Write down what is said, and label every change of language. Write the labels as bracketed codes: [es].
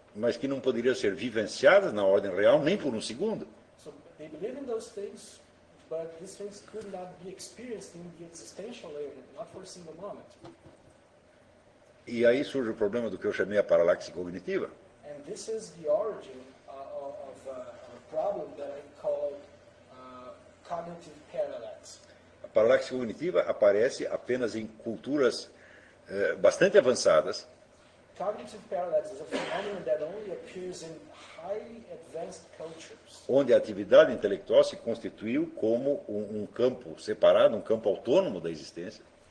[pt] Mas que não poderiam ser vivenciadas na ordem real nem por um segundo. [en] So, they believe in those things, but these things could not be experienced in the existential layer, not for a single moment. [pt] E aí surge o problema do que eu chamei a paralaxe cognitiva. [en] And this is the origin of a problem that I called cognitive parallax. [pt] A paralaxe cognitiva aparece apenas em culturas bastante avançadas. [en] Cognitive parallax is a phenomenon that only appears in highly advanced cultures. [pt] Onde a atividade intelectual se constituiu como um campo separado, um campo autônomo da existência.